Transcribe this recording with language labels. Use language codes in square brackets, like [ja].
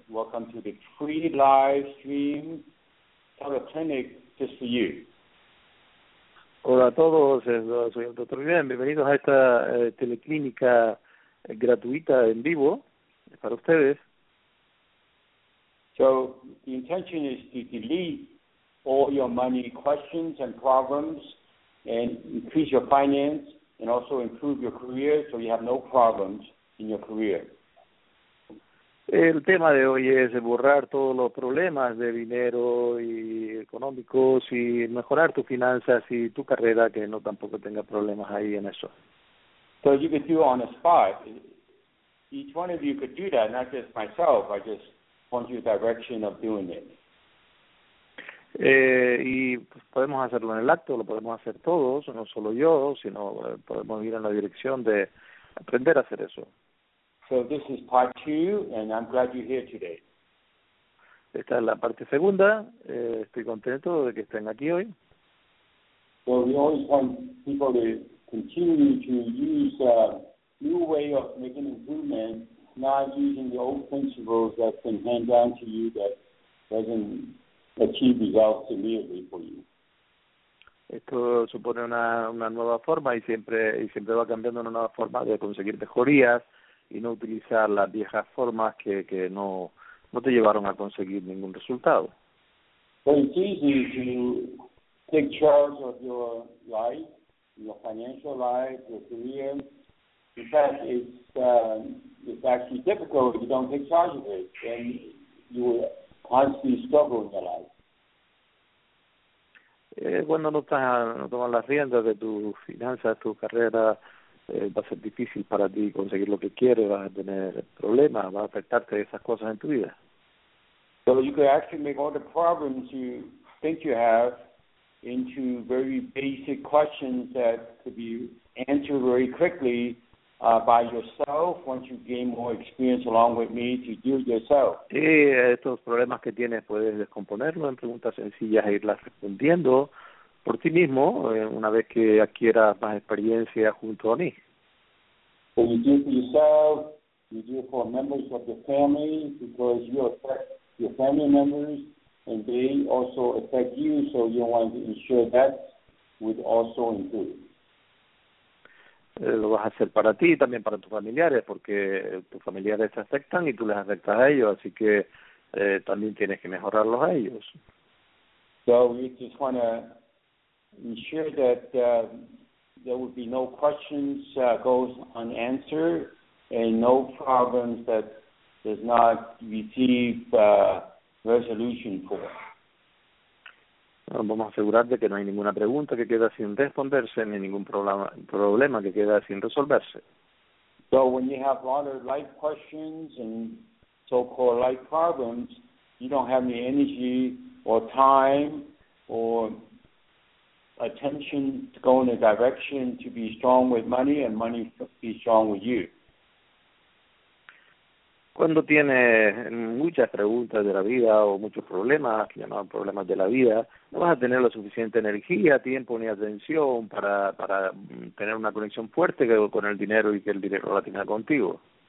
[en] Welcome to the free live stream teleclinic just for you. [es] Hola a todos, soy el Dr. Yuen. Bienvenidos a esta teleclínica gratuita en vivo para ustedes. [en] So, the intention is to delete all your money questions and problems and increase your finance and also improve your career so you have no problems in your career. [es] El tema de hoy es borrar todos los problemas de dinero y económicos y mejorar tus finanzas y tu carrera, que no tampoco tenga problemas ahí en eso. [en] So you could do it on the spot. Each one of you could do that, not just myself. I just want you a direction of doing it. [es] Y pues podemos hacerlo en el acto, lo podemos hacer todos, no solo yo, sino podemos ir en la dirección de aprender a hacer eso. [en] So this is part two, and I'm glad you're here today. [es] Esta es la parte segunda, estoy contento de que estén aquí hoy. [en] So we always want people to continue to use a new way of making improvement, not using the old principles that's been handed down to you that doesn't achieve results immediately for you. [es] Esto supone una nueva forma y siempre va cambiando una nueva forma de conseguir mejorías y no utilizar las viejas formas que no te llevaron a conseguir ningún resultado. [en] So it's easy to take charge of your life, your financial life, your career. In fact, it's actually difficult if you don't take charge of it and you will constantly struggle in your life. [es] Cuando no tomas las riendas de tus finanzas, tu carrera, va a ser difícil para ti conseguir lo que quieres, vas a tener problemas, va a afectarte esas cosas en tu vida. [en] So you could actually make all the problems you think you have into very basic questions that could be answered very quickly by yourself once you gain more experience along with me to do it yourself. [es] Sí, estos problemas que tienes puedes descomponerlos en preguntas sencillas e irlas respondiendo por ti mismo una vez que adquieras más experiencia junto a mí. [en] So you do it for yourself, you do it for members of your family because you affect your family members and they also affect you, so you want to ensure that would also improve. [es] Lo vas a hacer para ti y también para tus familiares, porque tus familiares te afectan y tú les afectas a ellos, así que también tienes que mejorarlos a ellos. [en] So we just want to ensure that there would be no questions goes unanswered and no problems that does not receive resolution for. [es] Vamos a asegurar de que no hay ninguna pregunta que queda sin responderse ni ningún problema que queda sin resolverse. [en] So when you have a lot of life questions and so-called life problems, you don't have any energy or time or attention to go in a direction to be strong with money and money be strong with you. [es] Cuando tienes muchas preguntas de la vida o muchos problemas, llamados problemas de la vida, no vas a tener la suficiente energía, tiempo ni atención para tener una conexión fuerte con el dinero y que el dinero la tenga contigo.